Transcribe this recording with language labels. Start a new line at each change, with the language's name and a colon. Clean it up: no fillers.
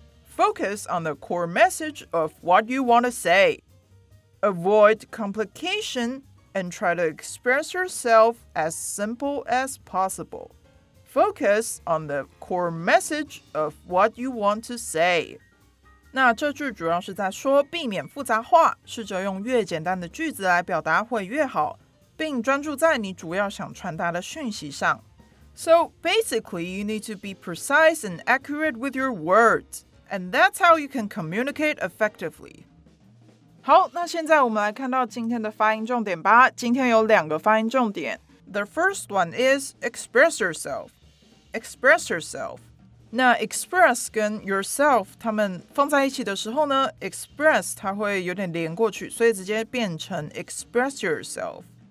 English: Focus on the core message of what you want to say. Avoid complication and try to express yourself as simple as possible. Focus on the core message of what you want to say.
Chinese: 那这句主要是在说避免复杂化，试着用越简单的句子来表达会越好，并专注在你主要想传达的讯息上。
English: So basically, you need to be precise and accurate with your words, and that's how you can communicate effectively.
Chinese: 好，那现在我们来看到今天的发音重点吧。今天有两个发音重点。
English: The first one is express yourself. Express yourself.
Chinese: 那 express 跟 yourself 它们放在一起的时候呢 ，express 它会有点连过去，所以直接变成
English: express yourself.